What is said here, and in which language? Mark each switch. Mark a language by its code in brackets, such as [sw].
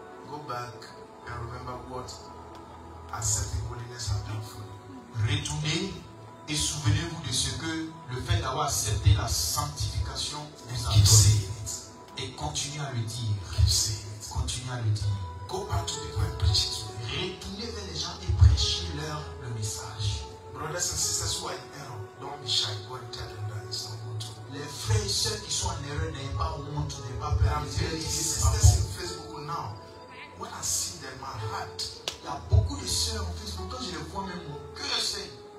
[en] Go back and remember what accepting holiness has done for you. [fr] Retournez et souvenez-vous de ce que le fait d'avoir accepté la sanctification vous a donné. Et continue à le dire. Continue à le dire. [en] Go back to the point, preach it. [fr] Retournez vers les gens et prêchez-leur le message. [en] Brothers and sisters who are in error, don't be shy. Go and tell them that it's not good. [fr] Les frères et sœurs qui sont en erreur n'aient pas honte, n'aient pas peur. [en] Sisters in Facebook now, when I see them, my heart. [fr] Il y a beaucoup de sœurs en Facebook. Quand je les vois, même mon cœur sait.